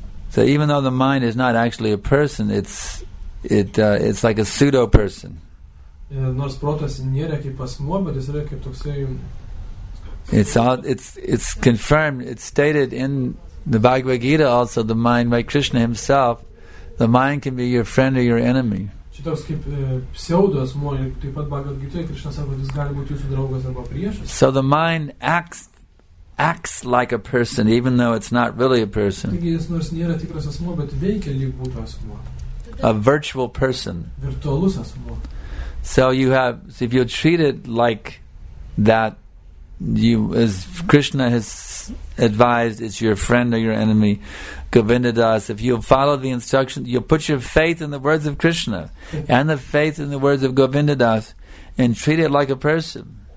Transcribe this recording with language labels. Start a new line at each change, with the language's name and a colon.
English: So even though the mind is not actually a person, it's like a pseudo-person.
Lithuanian: Nors protas nėra kaip asmuo, bet jis yra kaip toksai.
English: It's confirmed, it's stated in the Bhagavad Gita also, the mind by Krishna himself, the mind can be your friend or your enemy.
Lithuanian: Šitoks kaip pseudo asmuo, taip pat Bhagavad Gita, Krishna sako, jis gali būti jūsų draugas arba priešas.
English: So the mind acts like a person, even though it's not really a person.
Lithuanian: Taigi jis nors nėra tikras asmuo, bet veikia lyg būtų asmuo.
English: A virtual person.
Lithuanian: Virtualus asmuo.
English: So if you treat it like that, you, as Krishna has advised, it's your friend or your enemy, Govinda Das, if you follow the instructions, you'll put your faith in the words of Krishna and the faith in the words of Govinda Das and treat it like a person.